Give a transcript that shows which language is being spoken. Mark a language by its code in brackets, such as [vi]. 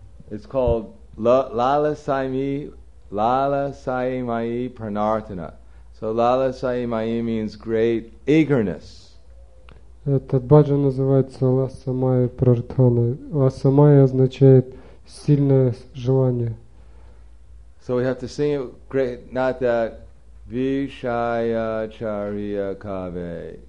[en] It's called Lala Sai Mai Pranartana. So Lala Sai Mai means great eagerness. [ru] Этот баджан называется Ласа Майя Прартхана. Ласа Майя означает сильное желание. [en] So we have to sing it great, not that [bn] Vishaya Charya Kave.